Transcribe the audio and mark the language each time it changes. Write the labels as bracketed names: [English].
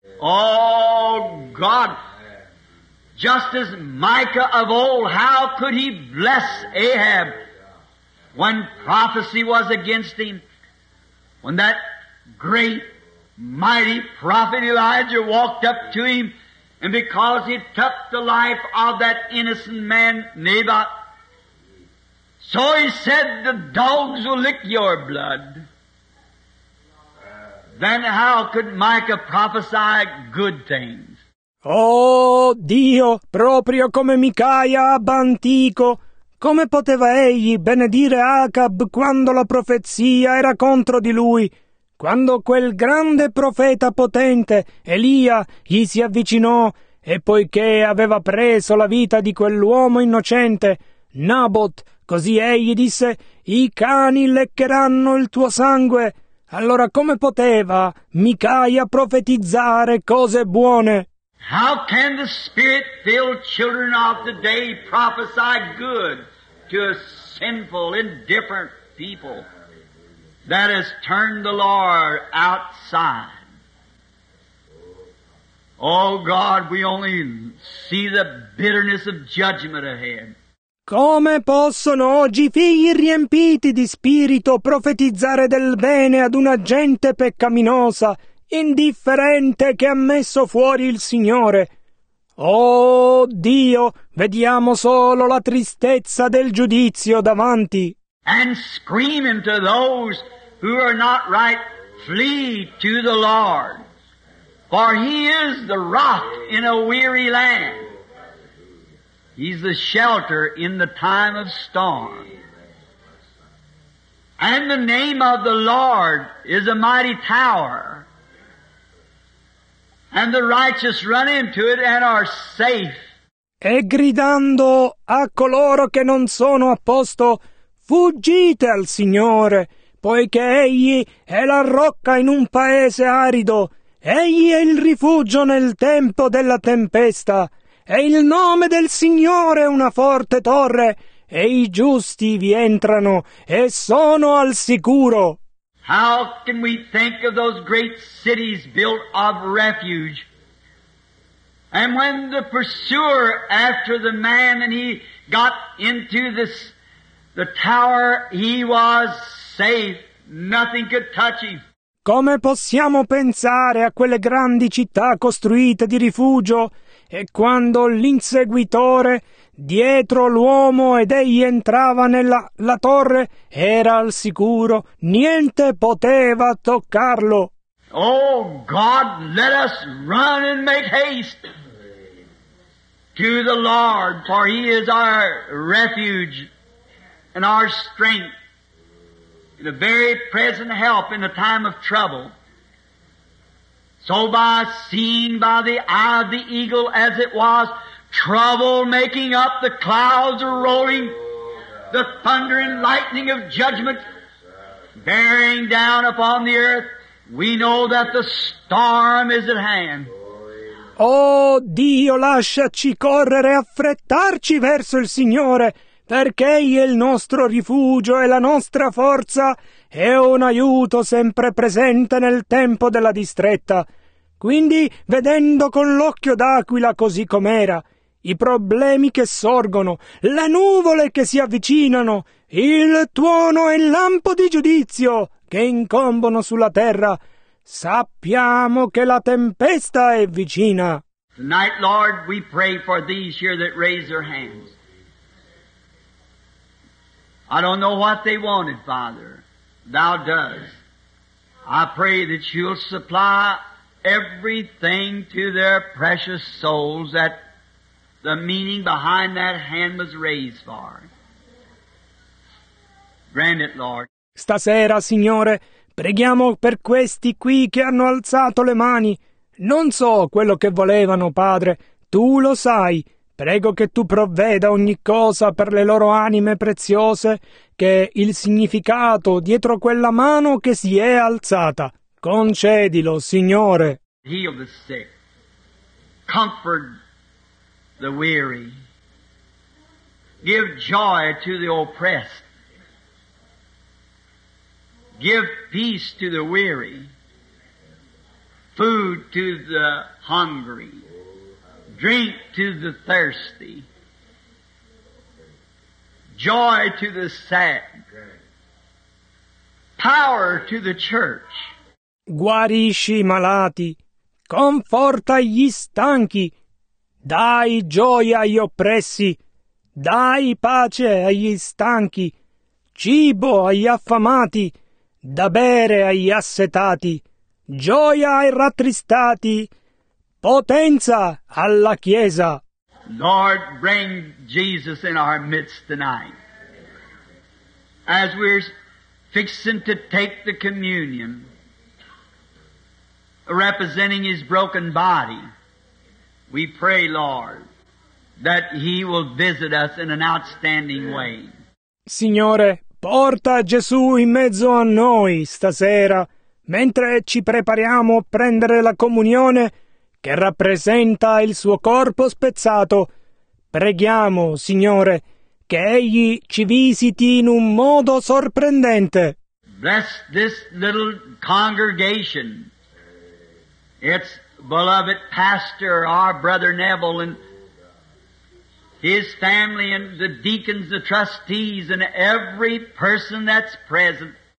[English] Oh God! Just as Micah of old, how could he bless Ahab when prophecy was against him? When that great, mighty prophet Elijah walked up to him, and because he took the life of that innocent man, Naboth, so he said, the dogs will lick your blood. Then how could Micah prophesy good things? [Italian] Oh Dio, proprio come Micaia ab antico, come poteva egli benedire Acab quando la profezia era contro di lui, quando quel grande profeta potente Elia gli si avvicinò e poiché aveva preso la vita di quell'uomo innocente Naboth, così egli disse, i cani leccheranno il tuo sangue. Allora come poteva Micaia profetizzare cose buone? [English] How can the Spirit-filled children of the day prophesy good to a sinful, indifferent people that has turned the Lord outside? Oh God, we only see the bitterness of judgment ahead. [Italian] Come possono oggi figli riempiti di spirito profetizzare del bene ad una gente peccaminosa, indifferente, che ha messo fuori il Signore? Oh Dio, vediamo solo la tristezza del giudizio davanti. [English] And screaming to those who are not right, flee to the Lord, for He is the rock in a weary land. He's the shelter in the time of storm. And the name of the Lord is a mighty tower. And the righteous run into it and are safe. [Italian] E gridando a coloro che non sono a posto, fuggite al Signore, poiché Egli è la rocca in un paese arido, Egli è il rifugio nel tempo della tempesta, e il nome del Signore è una forte torre, e i giusti vi entrano e sono al sicuro. [English] How can we think of those great cities built of refuge? And when the pursuer after the man and he got into the tower, he was safe. Nothing could touch him. [Italian] Come possiamo pensare a quelle grandi città costruite di rifugio? E quando l'inseguitore dietro l'uomo ed egli entrava nella la torre, era al sicuro, niente poteva toccarlo. [English] Oh God, let us run and make haste to the Lord, for He is our refuge and our strength, and a very present help in the time of trouble. So by seeing by the eye of the eagle as it was, trouble making up, the clouds are rolling, the thunder and lightning of judgment bearing down upon the earth, we know that the storm is at hand. [Italian] Oh Dio, lasciaci correre, affrettarci verso il Signore, perché Egli è il nostro rifugio e la nostra forza e un aiuto sempre presente nel tempo della distretta. Quindi, vedendo con l'occhio d'aquila così com'era, i problemi che sorgono, le nuvole che si avvicinano, il tuono e il lampo di giudizio che incombono sulla terra. Sappiamo che la tempesta è vicina. [English] Tonight, Lord, we pray for these here that raise their hands. I don't know what they wanted, Father. Thou dost. I pray that you'll supply everything to their precious souls that the meaning behind that hand was raised for. Grant it, Lord. [Italian] Stasera, Signore, preghiamo per questi qui che hanno alzato le mani. Non so quello che volevano, Padre. Tu lo sai. Prego che tu provveda ogni cosa per le loro anime preziose, che il significato dietro quella mano che si è alzata. Concedilo, Signore. [English] Heal the sick. Comfort the weary. Give joy to the oppressed. Give peace to the weary. Food to the hungry, drink to the thirsty, joy to the sad, power to the church. [Italian] Guarisci i malati, conforta gli stanchi, dai gioia agli oppressi, dai pace agli stanchi, cibo agli affamati, da bere agli assetati. Gioia ai rattristati, potenza alla Chiesa. [English] Lord, bring Jesus in our midst tonight. As we're fixing to take the communion, representing His broken body, we pray, Lord, that He will visit us in an outstanding way. [Italian] Signore, porta Gesù in mezzo a noi stasera. Mentre ci prepariamo a prendere la comunione che rappresenta il suo corpo spezzato, preghiamo, Signore, che Egli ci visiti in un modo sorprendente. [English] Bless this little congregation. Its beloved pastor, our brother Neville, and his family, and the deacons, the trustees, and every person that's present.